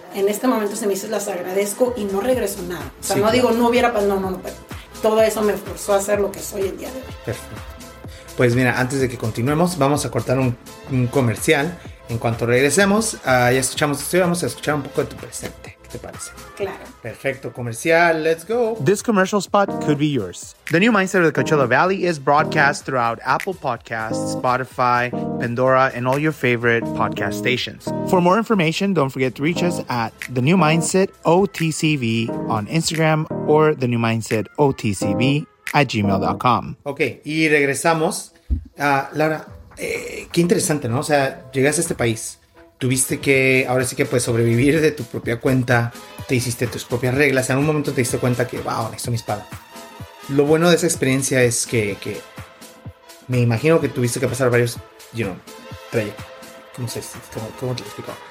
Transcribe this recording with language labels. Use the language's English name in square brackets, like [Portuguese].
[Spanish] En este momento se me hizo, las agradezco y no regreso nada. O sea, digo, no hubiera pasado. No, pero todo eso me forzó a hacer lo que soy el día de hoy. Perfecto. Pues mira, antes de que continuemos, vamos a cortar un comercial. En cuanto regresemos, ya escuchamos esto y vamos a escuchar un poco de tu presente. ¿Te parece? Claro. Perfecto, comercial, [English] let's go. This commercial spot could be yours. The new mindset of the Coachella Valley is broadcast throughout Apple Podcasts, Spotify, Pandora, and all your favorite podcast stations. For more information, don't forget to reach us at The New Mindset OTCV on Instagram or The New Mindset OTCV at gmail.com. [Spanish] Ok, y regresamos. Lara, qué interesante, ¿no? O sea, llegaste a este país. Tuviste que, ahora sí que puedes sobrevivir de tu propia cuenta, te hiciste tus propias reglas, en algún momento te diste cuenta que, wow, necesito mi espada. Lo bueno de esa experiencia es que me imagino que tuviste que pasar varios, ¿cómo te lo explico?